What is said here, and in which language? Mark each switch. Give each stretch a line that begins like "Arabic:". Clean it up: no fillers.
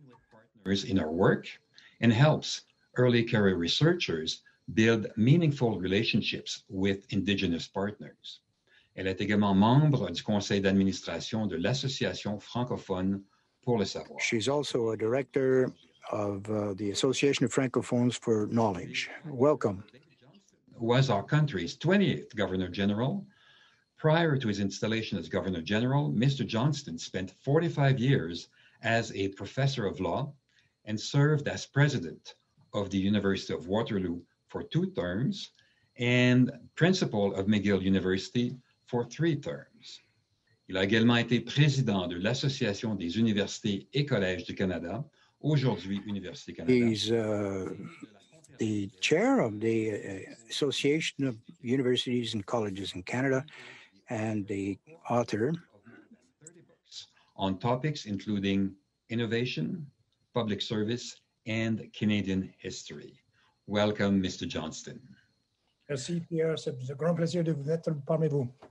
English: Partners in our work and helps early career researchers build meaningful relationships with Indigenous partners.
French: Elle est également membre du conseil d'administration de l'Association francophone pour le savoir.
English: She's also a director of the Association of Francophones for Knowledge. Welcome. Was our country's 20th Governor General. Prior to his installation as Governor General, Mr. Johnston spent 45 years as a professor of law and served as president of the University of Waterloo for 2 terms and principal of McGill University for 3 terms.
French: Il a également été président de l'Association des universités et collèges du Canada, aujourd'hui Université Canada.
English: He's the chair of the Association of Universities and Colleges in Canada, and the author on topics including innovation, public service, and Canadian history. Welcome, Mr. Johnston.
French: Merci, Pierre. C'est un grand plaisir de vous être parmi vous.